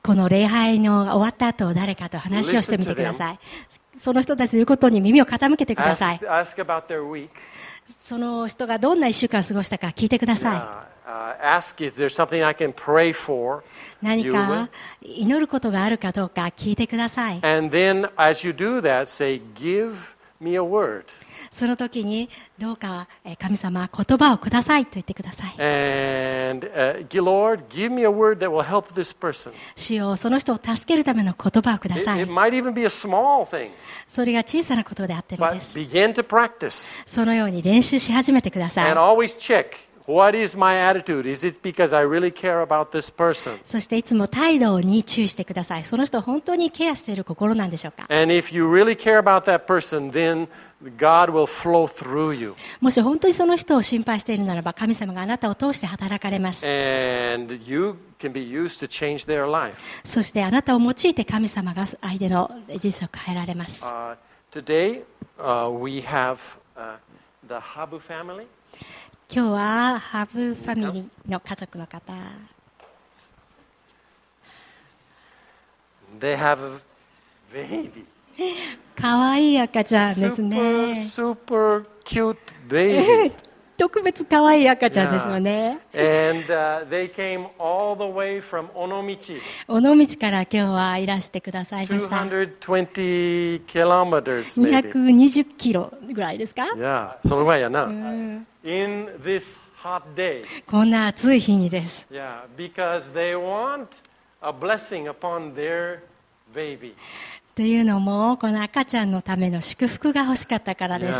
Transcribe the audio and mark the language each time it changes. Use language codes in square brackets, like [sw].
[ja] この礼拝の終わった後、誰かと話をしてみてください。その人たちの言うことに耳を傾けてください。 [en] Ask about their week. [ja] その人がどんな1週間過ごしたか聞いてください。 [en] Ask, is there something I can pray for? [ja] 何か祈ることがあるかどうか聞いてください。 [en] And then, as you do that, say, give me a word. [ja] その時にどうか神様言葉をくださいと言ってください。 [en] And, Lord, give me a word that will help this person. [ja] 主よ、その人を助けるための言葉をください。 [en] it might even be a small thing. [ja] それが小さなことであってもです。 [en] But begin to practice. [ja] そのように練習し始めてください。 [en] And always check, what is my attitude? Is it because I really care about this person? [ja] そしていつも態度に注意してください。その人を本当にケアしている心なんでしょうか。 [en] And if you really care about that person, thenGod will flow through you. [ja] もし本当にその人を心配しているならば、神様があなたを通して働かれます。 [en] And you can be used to change their life. [ja] そしてあなたを用いて神様が相手の人生を変えられます。 [en] Today, we have, the Habu family. [ja] 今日はハブファミリーの家族の方。 [en] They have a baby. [ja] かわいい赤ちゃんですね。 [en] Super, super cute baby. [ja] 特別かわいい赤ちゃんですよね。 [en] Yeah. And, they came all the way from 尾 [ja] 道。尾道から今日はいらしてくださいました。 [en] 220 kilometers, maybe. [ja] 220キロぐらいですか？ [en] Yeah, [ja] そのぐらいやな。 [en] In this hot day. [ja] こんな暑い日にです。 [en] Yeah, because they want a blessing upon their baby. [ja] というのも、この赤ちゃんのための祝福が欲しかったからです。